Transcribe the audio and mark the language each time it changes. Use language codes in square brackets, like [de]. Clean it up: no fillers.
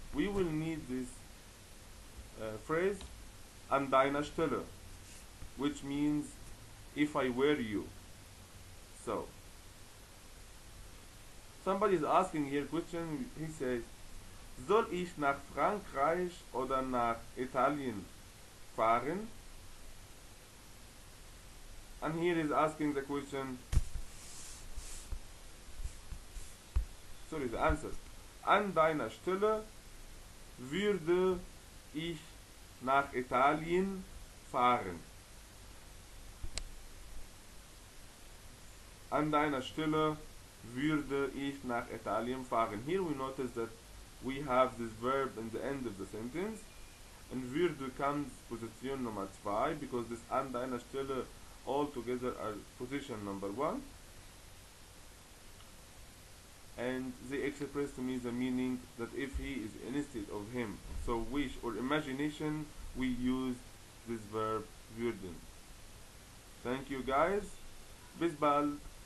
[en] We will need this phrase [de] an deiner Stelle, [en] which means if I were you. So, somebody is asking here question, he says, [de] soll ich nach Frankreich oder nach Italien fahren? [en] And here is asking the question. Sorry, the answer. [de] An deiner Stelle würde ich nach Italien fahren. An deiner Stelle würde ich nach Italien fahren. [en] Here we notice that we have this verb in the end of the sentence, and würde comes position number 2 because this an deiner Stelle all together are position number 1. And they express to me the meaning that if he is instead of him, so wish or imagination, we use this verb würden. Thank you guys. [de] Bis bald.